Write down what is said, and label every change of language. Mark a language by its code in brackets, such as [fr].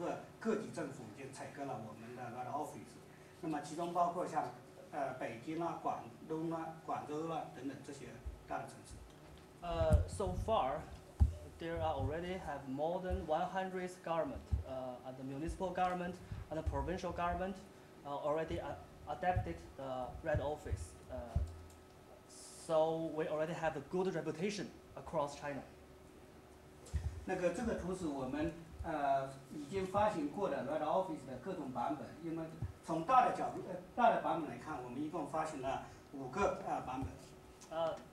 [zh] 其实到目前为止的话，应该是在全国政府的领域里边，我们已经有100多个各级政府已经采购了我们的 Red Office， 那么其中包括像北京啊、广东啊、广州啊等等这些大的城市。 [en] So far, there are already have more than 100 government, and the municipal government and the provincial government, already adapted the Red Office. So we already have a good reputation across China. [zh] 那个这个图是我们已经发行过的 Red Office 的各种版本，因为从大的角度大的版本来看，我们一共发行了5个版本。